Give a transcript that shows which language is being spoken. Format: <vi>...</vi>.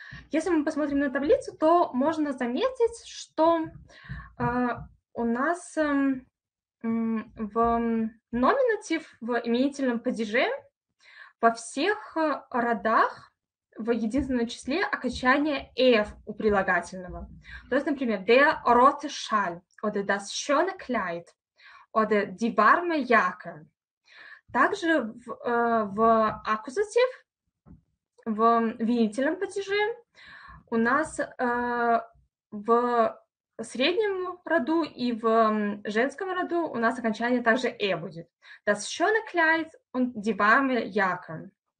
<ru>Если мы посмотрим на таблицу, то можно заметить, что у нас в номинатив, в именительном падеже, во всех родах в единственном числе окончание «f» у прилагательного. То есть, например,</ru> <de>«der rote Schal» oder «das schöne Kleid» oder «die warme Jacke».</de> <ru>Также в аккузатив, в винительном падеже, у нас в среднем роду и в женском роду у нас окончание также «e» будет.</ru> <de>«Das schöne Kleid» und «die warme Jacke».</de>